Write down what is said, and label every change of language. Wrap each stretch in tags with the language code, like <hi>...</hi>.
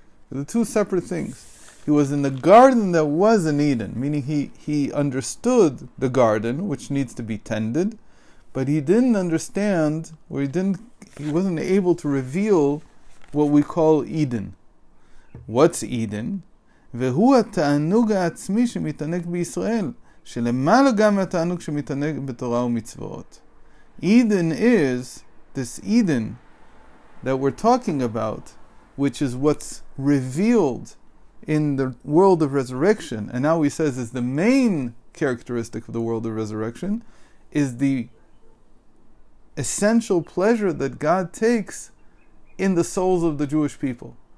<en>The two separate things. He was in the garden that was in Eden, meaning he understood the garden, which needs to be tended, but he didn't understand, or he didn't he wasn't able to reveal what we call Eden. What's Eden?</en> <he>והוא התענוג העצמי שמתענג בישראל, שלמעלה גם התענוג שמתענג בתורה ומצוות.</he> <en>Eden is this Eden that we're talking about, which is what's revealed in the world of resurrection, and now he says is the main characteristic of the world of resurrection, is the essential pleasure that God takes in the souls of the Jewish people.</en>